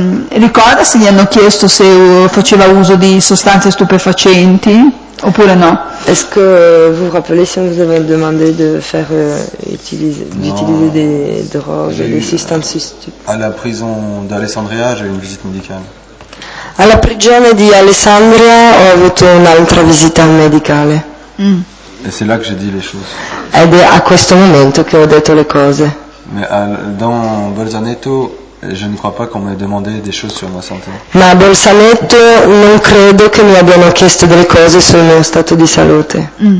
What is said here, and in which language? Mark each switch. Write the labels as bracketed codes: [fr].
[it] Ricorda se gli hanno chiesto se faceva uso di sostanze stupefacenti oppure no? [fr] Est-ce que vous vous rappelez si on vous avait demandé de faire d'utiliser des drogues, des [it] sostanze stupefacenti? [fr] À la prison d'Alessandria, j'ai eu une visite médicale. [it] Alla prigione di Alessandria ho avuto un'altra visita medicale. [fr] Et c'est là que j'ai dit les choses. [it] Ed è a questo momento che ho detto le cose. [fr] Mais dans Bolzaneto, je ne crois pas qu'on m'ait demandé des choses sur ma santé. [it] Ma Bolzaneto, non credo che mi abbiano chiesto delle cose sul mio stato di salute.